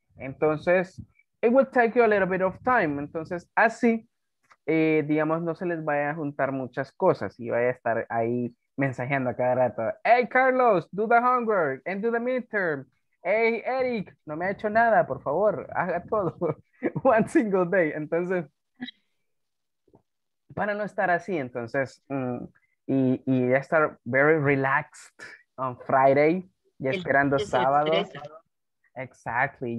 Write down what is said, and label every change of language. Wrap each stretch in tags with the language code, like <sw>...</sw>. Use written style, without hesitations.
<es>Entonces,</es> <en>it will take you a little bit of time.</en> <es>Entonces, así, digamos, no se les vaya a juntar muchas cosas y vaya a estar ahí mensajeando a cada rato.</es> <en>Hey, Carlos, do the homework and do the midterm.</en> <es>Hey, Eric, no me ha hecho nada, por favor, haga todo.</es> <en>One single day.</en> <es>Entonces, para no estar así, entonces... Y ya estar</es> <en>very relaxed on Friday,</en> <es>ya esperando el sábado. Exactly.</es>